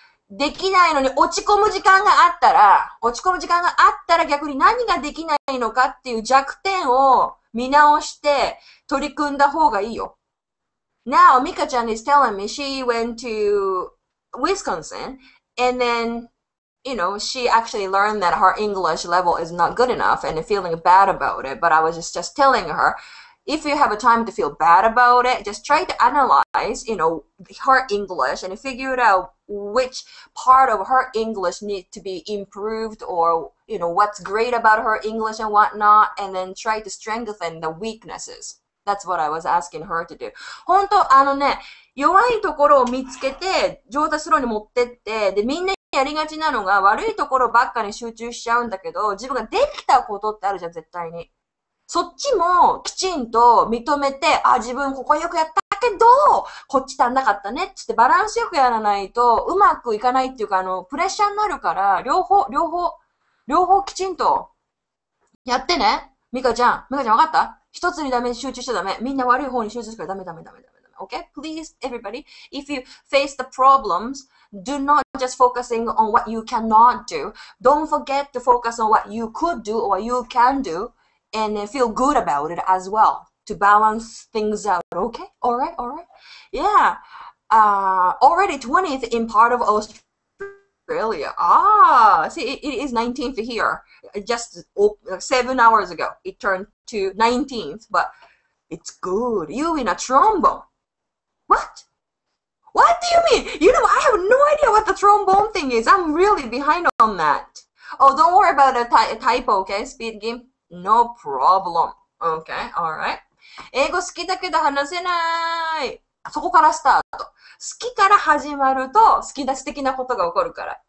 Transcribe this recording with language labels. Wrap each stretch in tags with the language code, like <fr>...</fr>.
<ja>できないのに落ち込む時間があったら、落ち込む時間があったら逆に何ができないのかっていう弱点を見直して取り組んだ方がいいよ。</ja> <en>Now, Mika-chan is telling me she went to Wisconsin and then, you know, she actually learned that her English level is not good enough and feeling bad about it. But I was just telling her, if you have a time to feel bad about it, just try to analyze, you know, her English and figure it out which part of her English need to be improved or, you know, what's great about her English and whatnot, and then try to strengthen the weaknesses. That's what I was asking her to do. 本当、あのね、弱いところを見つけて、上達路に持ってって、で、みんなやりがちなのが悪いところばっかに集中しちゃうんだけど、自分ができたことってあるじゃん、絶対に。そっちもきちんと認めて、あ、自分ここよくやったけど、こっち足んなかったねってバランスよくやらないとうまくいかないっていうか、あの、プレッシャーになるから、両方きちんとやってね。ミカちゃん、わかった？一つにダメ集中しちゃダメ。みんな悪い方に集中するからダメ。 Okay? Please, everybody, if you face the problems, do not just focusing on what you cannot do. Don't forget to focus on what you could do or you can do. And feel good about it as well to balance things out. Okay, all right. Yeah, already 20th in part of Australia. Ah, see, it is 19th here. Just 7 hours ago, it turned to 19th, but it's good. You in a trombone. What do you mean? You know, I have no idea what the trombone thing is. I'm really behind on that. Oh, don't worry about a typo, okay, speed game. No problem. Okay, alright.</en> <ja>英語好きだけど話せない。そこからスタート。好きから始まると好きだ素敵なことが起こるから。</ja>